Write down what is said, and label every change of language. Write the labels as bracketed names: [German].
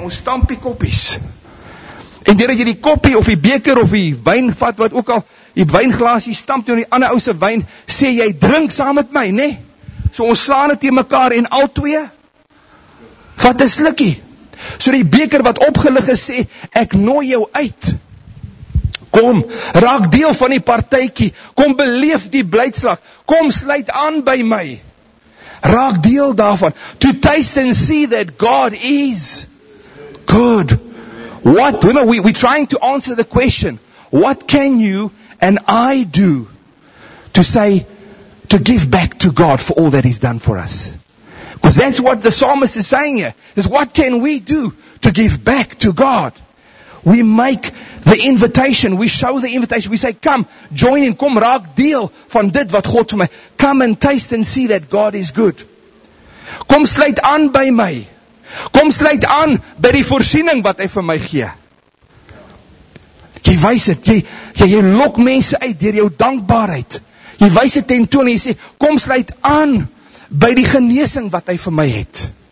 [Afrikaans] Ons stampie koppies. En deurdat jy die koppie of die beker of die wyn vat, wat ook al, die wynglasie stamp teen die ander ou se wyn, sê jy drink saam met my, nee? So ons slaan dit teen mekaar en al twee vat 'n slukkie. So die beker wat opgelig is, sê, ek nooi jou uit. Kom, raak deel van die partijkie. Kom, beleef die blydslag. Kom, sluit aan by my. Raak deel daarvan. [English] To taste and see that God is good. What? Remember, we're trying to answer the question. What can you and I do to say, to give back to God for all that he's done for us? Because that's what the psalmist is saying here. Is what can we do to give back to God? We make the invitation. We show the invitation. We say, come, join in. [Afrikaans] Kom, raak deel van dit wat God vir my. [English] Come and taste and see that God is good. [Afrikaans] Kom, sluit aan by my. Kom, sluit aan by die voorsiening wat hy vir my gee. Jy wys dit. Jy lok mense uit deur jou dankbaarheid. Jy wys dit ten toon en jy sê, kom, sluit aan by die genesing wat hy vir my het.